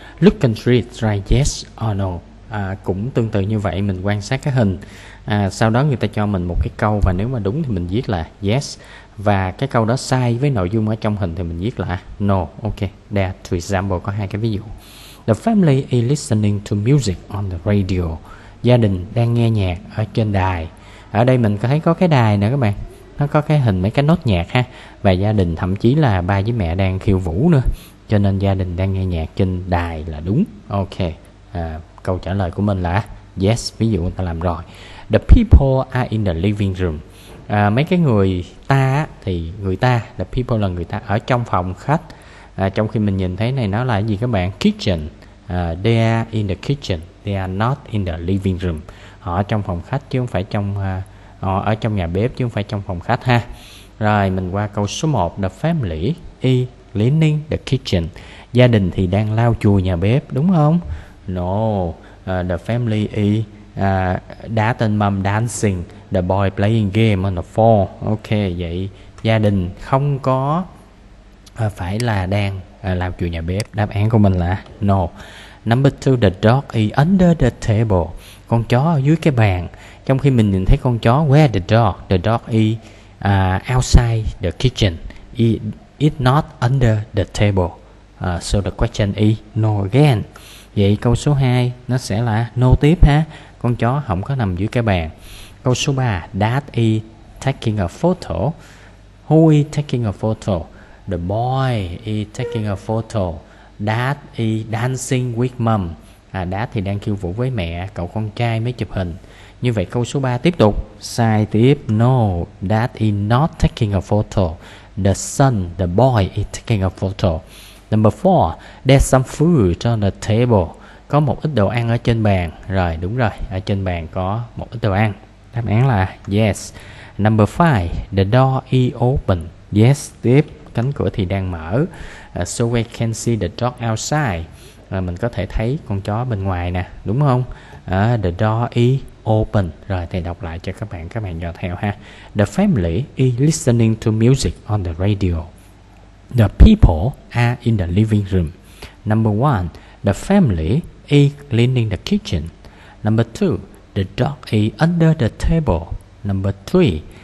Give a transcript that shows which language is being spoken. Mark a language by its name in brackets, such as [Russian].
[English] Look and read, write yes or no. [Vietnamese] Cũng tương tự như vậy, mình quan sát cái hình. Sau đó người ta cho mình một cái câu và nếu mà đúng thì mình viết là yes. Và cái câu đó sai với nội dung ở trong hình thì mình viết là no. [English] Ok, there are two examples, [Vietnamese] có hai cái ví dụ. [English] The family is listening to music on the radio. [Vietnamese] Gia đình đang nghe nhạc ở trên đài. Ở đây mình có thấy có cái đài nè các bạn. Nó có cái hình mấy cái nốt nhạc ha. Và gia đình thậm chí là ba với mẹ đang khiêu vũ nữa. Cho nên gia đình đang nghe nhạc trên đài là đúng. Ok, câu trả lời của mình là yes. Ví dụ người ta làm rồi. [English] The people are in the living room. [Vietnamese] Mấy cái người ta thì người ta, the people là người ta ở trong phòng khách. Trong khi mình nhìn thấy này nó là cái gì các bạn? [English] Kitchen. They are in the kitchen. They are not in the living room. [Vietnamese] Họ ở trong phòng khách chứ không phải trong... Họ ở trong nhà bếp chứ không phải trong phòng khách ha. Rồi mình qua câu số 1. [English] The family is cleaning the kitchen. [Vietnamese] Gia đình thì đang lau chùi nhà bếp đúng không? [English] No. The family is dad and mom dancing. The boy playing game on the floor. [Vietnamese] Ok, vậy gia đình không có phải là đang lau chùi nhà bếp. Đáp án của mình là no. Number 2. [English] The dog is under the table. [Vietnamese] Con chó ở dưới cái bàn. Trong khi mình nhìn thấy con chó, [English] where the dog is outside the kitchen, it not under the table. So the question is no again. [Vietnamese] Vậy câu số 2 nó sẽ là no tiếp ha, con chó không có nằm dưới cái bàn. Câu số 3, [English] dad is taking a photo. Who is taking a photo? The boy is taking a photo. Dad is dancing with mom. [Vietnamese] Dad thì đang khiêu vũ với mẹ, cậu con trai mới chụp hình. Như vậy câu số 3 tiếp tục. Sai tiếp. [English] No, dad is not taking a photo. The son, the boy is taking a photo. Number 4. There's some food on the table. [Vietnamese] Có một ít đồ ăn ở trên bàn. Rồi, đúng rồi. Ở trên bàn có một ít đồ ăn. Đáp án là [English] yes. Number 5. The door is open. Yes, [Vietnamese] tiếp. Cánh cửa thì đang mở. [English] So we can see the dog outside. [Vietnamese] Mình có thể thấy con chó bên ngoài nè. Đúng không? [English] The door is open. [Vietnamese] Rồi thầy đọc lại cho các bạn dọa theo ha. [English] The family is listening to music on the radio. The people are in the living room. Number 1. The family is cleaning the kitchen. Number 2. The dog is under the table. Number 3.